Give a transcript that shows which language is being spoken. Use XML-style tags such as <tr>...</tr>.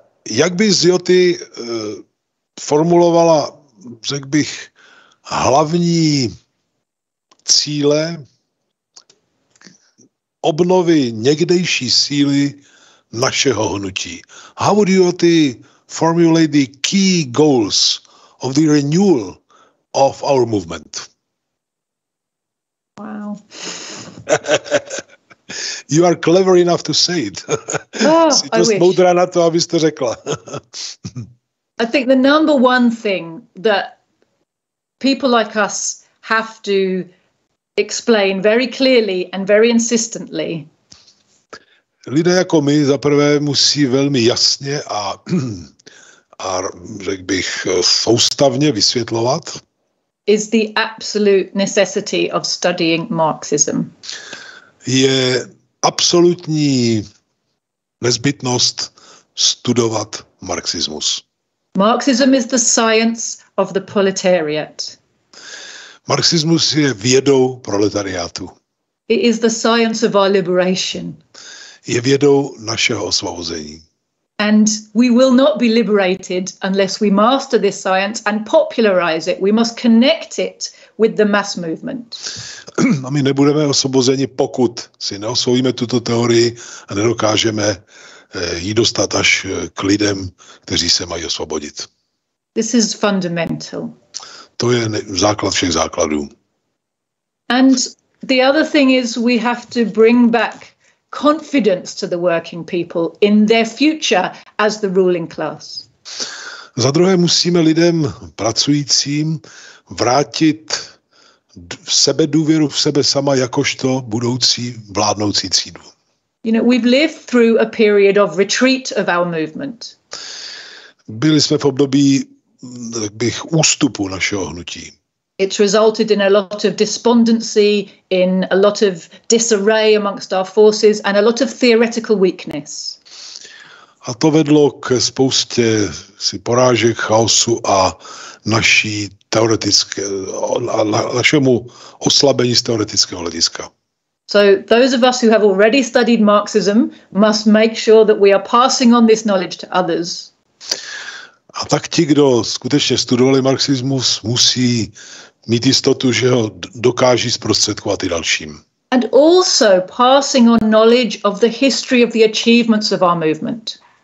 <cs>Jak by Joti formulovala, řekl bych, hlavní cíle obnovy někdejší síly našeho hnutí?</cs> <en>How would Joti formulate the key goals of the renewal of our movement? Wow. You are clever enough to say it. Oh, I wish.</en> <cs>Moudrá na to, abys to řekla.</cs> <en>I think the number one thing that people like us have to explain very clearly and very insistently.</en> <cs>Lidé jako my za prvé musí velmi jasně a řekl bych soustavně vysvětlovat.</cs> <en>Is the absolute necessity of studying Marxism.</en> <cs>Je absolutní nezbytnost studovat marxismus.</cs> <en>Marxism is the science of the proletariat.</en> <cs>Marxismus je vědou proletariátu.</cs> <en>It is the science of our liberation.</en> <cs>Je vědou našeho osvobození.</cs> <en>And we will not be liberated unless we master this science and popularize it. We must connect it with the mass movement.</en> <cs>A my nebudeme osvobozeni, pokud si neosvojíme tuto teorii a nedokážeme ji dostat až k lidem, kteří se mají osvobodit.</cs> <en>This is fundamental.</en> <cs>To je základ všech základů.</cs> <en>And the other thing is we have to bring back confidence to the working people in their future as the ruling class.</en> <cs>Za druhé musíme lidem pracujícím vrátit sebedůvěru v sebe sama jakožto budoucí vládnoucí třídu.</cs> <en>You know, we've lived through a period of retreat of our movement.</en> <cs>Byli jsme v období, tak bych, ústupu našeho hnutí.</cs> <en>It's resulted in a lot of despondency, in a lot of disarray amongst our forces and a lot of theoretical weakness.</en> <cs>A to vedlo k spoustě si porážek, chaosu a naší teoretické, našemu oslabení z teoretického hlediska.</cs> <en>So those of us who have already studied Marxism must make sure that we are passing on this knowledge to others.</en> <cs>A tak ti, kdo skutečně studovali marxismus, musí mít jistotu, že ho dokáží zprostředkovat i dalším.</cs> <en>And also passing on knowledge of the history of the achievements of our movement.</en>